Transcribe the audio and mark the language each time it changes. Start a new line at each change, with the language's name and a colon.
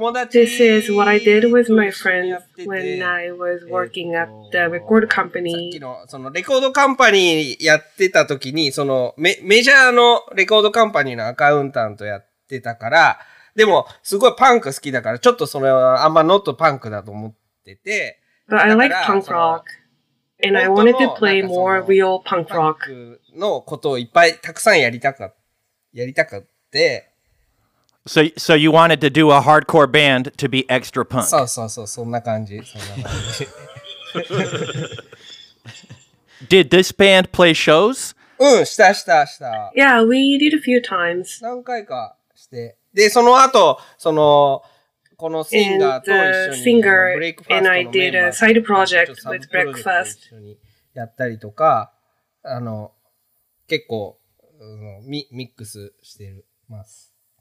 English: This is what I did with my friends when I was working at the record company.
Japanese: Record company やってた時に、そのメジャーのレコードカンパニーのアカウンタントやってたから、でもすごいパンク好きだから、ちょっとそれはあんまノットパンクだと思ってて。
English: But I like punk rock. And I wanted to play more real punk rock.
Japanese: のことをいっぱいたくさんやりたかって
English: So you wanted to do a hardcore band to be extra punk.
Japanese: そうそうそう、そんな感じ。そんな感じ。
English: Did this band play shows?
Japanese: うん、した。
English: Yeah, we did a few times.
Japanese: 何回かして。で、その後、その、このシンガーと一緒に、
English: and I did a side project with Breakfast.
Japanese: やったりとか、あの、結構、ミックスしてます。